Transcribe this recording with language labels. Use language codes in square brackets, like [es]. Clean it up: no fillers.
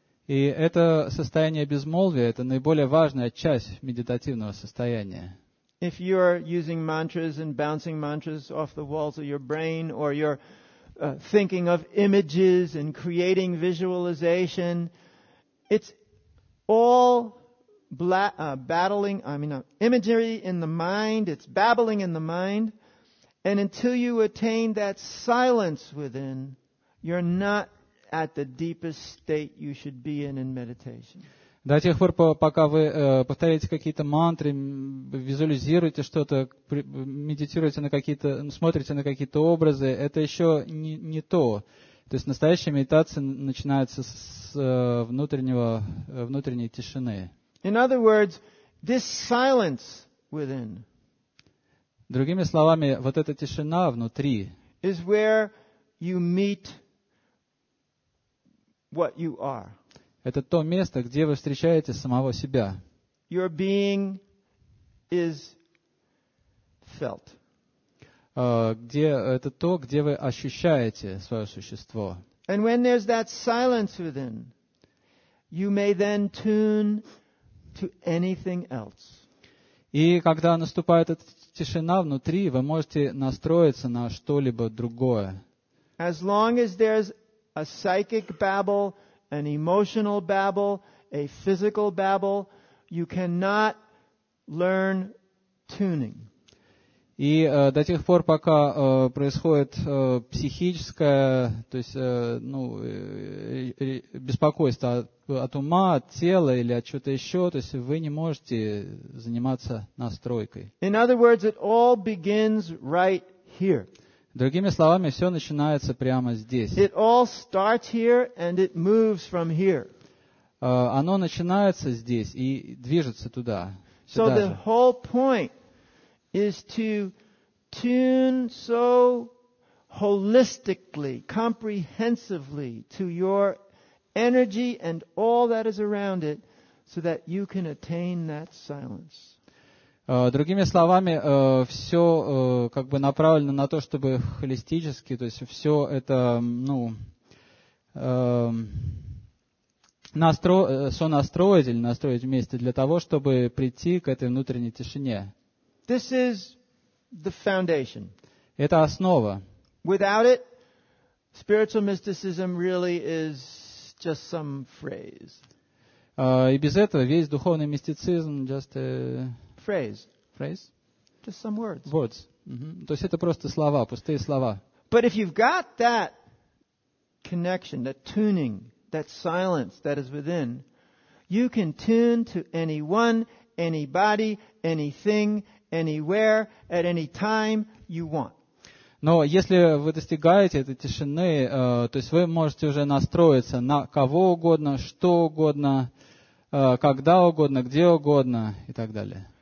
[ru] И это состояние безмолвия — это наиболее важная часть медитативного состояния. [en] If you're using mantras and bouncing mantras off the walls of your brain, or you're thinking of images and creating visualization, it's all battling, I mean, imagery in the mind. It's babbling in the mind. And until you attain that silence within, you're not at the deepest state you should be in meditation. [ru] До тех пор, пока вы повторяете какие-то мантры, визуализируете что-то, медитируете на какие-то, смотрите на какие-то образы, это еще не то. То есть настоящая медитация начинается с внутренней тишины. [en] In other words, this silence within. [ru] Другими словами, вот эта тишина внутри. [en] Is where you meet what you are. [ru] Это то место, где вы встречаете самого себя. [en] Your being is felt. [ru] Где это то, где вы ощущаете свое существо. [en] And when there's that silence within, you may then tune to anything else. [ru] И когда наступает эта тишина внутри, вы можете настроиться на что-либо другое. [en] As long as there's a psychic babble, an emotional babble, a physical babble, you cannot learn tuning. [ru] И до тех пор, пока происходит психическое, то есть, ну, беспокойство от ума, от тела или от чего-то еще, то есть вы не можете заниматься настройкой. [en] In other words, it all begins right here. [ru] Другими словами, все начинается прямо здесь. [en] It all starts here and it moves from here. [ru] Оно начинается здесь и движется туда. [en] So the whole point is to tune so holistically, comprehensively to your energy and all that is around it so that you can attain that silence. [ru] Другими словами, все как бы направлено на то, чтобы холистически, то есть все это, ну, сонастроить или настроить вместе для того, чтобы прийти к этой внутренней тишине. [en] This is the foundation. [ru] Это основа. [en] Without it, spiritual mysticism really is just some phrase. [ru] И без этого весь духовный мистицизм [en] just a phrase. Phrase? Just some words. Words. Mm-hmm. [ru] То есть это просто слова, пустые слова. [en] But if you've got that connection, that tuning, that silence that is within, you can tune to anyone, anybody, anything, anywhere, at any time you want. [ru] Но если вы достигаете этой тишины, то есть вы можете уже настроиться на кого угодно, что угодно, когда угодно, где угодно и так далее.